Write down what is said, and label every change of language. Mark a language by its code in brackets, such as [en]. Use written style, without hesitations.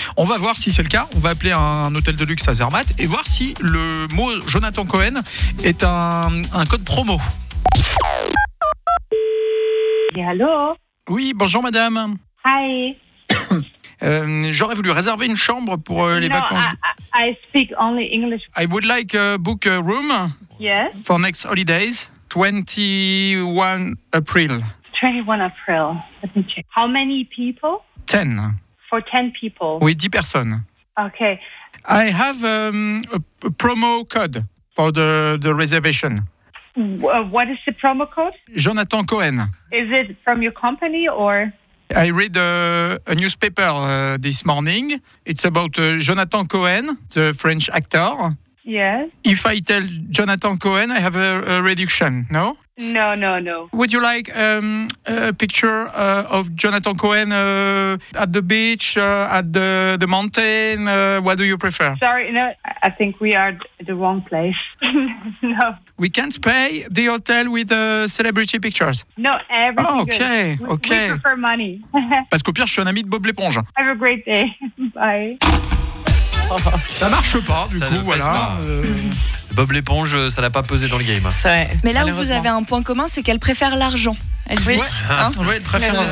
[fr] On va voir si c'est le cas. On va appeler un hôtel de luxe à Zermatt et voir si le mot Jonathan Cohen est un code promo. Et allô ? Oui, bonjour madame. [en] Hi. [fr] J'aurais voulu réserver une chambre pour les vacances. [en] I speak only English. I would like to book a room. Yes. For next holidays, 21 April. 21 April. Let me check. How many people? 10. For 10 people. [fr] Oui, 10 personnes. [en] Okay. I have a promo code for the reservation. What is the promo code? Jonathan Cohen. Is it from your company or? I read a newspaper this morning. It's about Jonathan Cohen, the French actor. Yes. If I tell Jonathan Cohen, I have a reduction, no? No, no, no. Would you like a picture of Jonathan Cohen at the beach, at the mountain? What do you prefer? Sorry, no, I think we are the wrong place. No. We can't pay the hotel with celebrity pictures. No, everything. Oh, okay, good. Okay. We prefer money. [fr] Parce qu'au pire, je suis un ami de Bob l'éponge. [en] Have a great day. Bye. [fr] Ça marche pas, du ça coup, ne voilà. Pas. Bob l'éponge, ça n'a pas pesé dans le game. C'est vrai. Mais là où vous avez un point commun, c'est qu'elle préfère l'argent. Elle dit, ouais. Hein ouais, elle